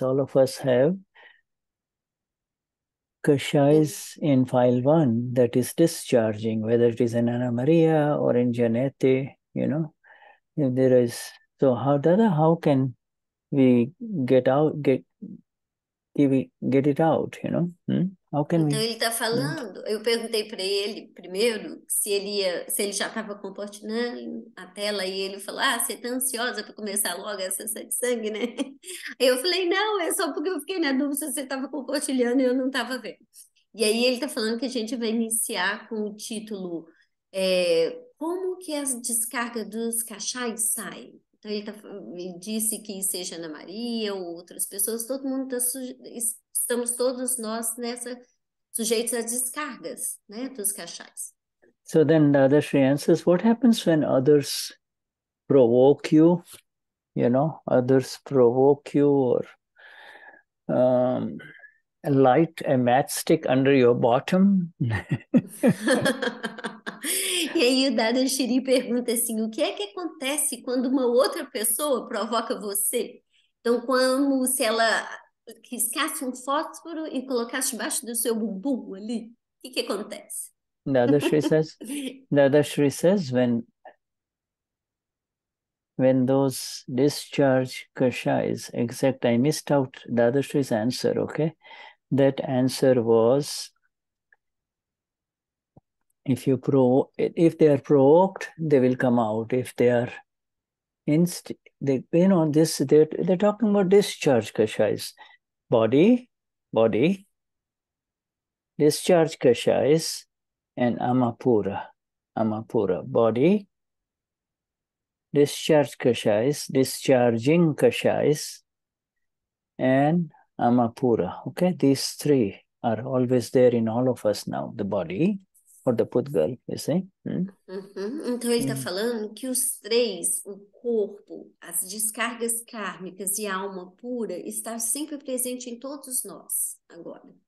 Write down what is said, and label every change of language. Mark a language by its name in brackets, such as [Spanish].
[English] All of us have kashayas in file one that is discharging, whether it is in Ana Maria or in Janete, you know. If there is, so how can we get it out, you know? [Portuguese] Então, ele está falando, eu perguntei para ele primeiro se ele já estava compartilhando a tela e ele falou, ah, você está ansiosa para começar logo essa sessão de sangue, né? Eu falei, não, é só porque eu fiquei na dúvida se você estava compartilhando e eu não estava vendo. E aí ele está falando que a gente vai iniciar com o título, como que as descargas dos cachais saem? Então, ele tá, disse que seja Ana Maria ou outras pessoas, todo mundo tá estamos todos nós nessa sujeitos às descargas, né, dos kashayas. [English] So then Dadashri answers, what happens when others provoke you? You know, others provoke you or light a matchstick under your bottom? [Portuguese] E aí o Dadashri pergunta assim, o que é que acontece quando uma outra pessoa provoca você? Então, como se ela riscasse um fósforo e colocasse debaixo do seu bumbum ali, o que que acontece? [English] Dadashri says, when those discharge kashayas, exact, I missed out Dadashri's answer, okay? That answer was, if they are provoked, they will come out. If they are, they're talking about discharge kashayas. Body, discharge kashayas, and amapura, body, discharging kashayas, and amapura. Okay, these three are always there in all of us now, the body or the putgal, you see. [Portuguese] Então ele está falando que os três, o corpo, as descargas kármicas e a alma pura, está sempre presente em todos nós agora.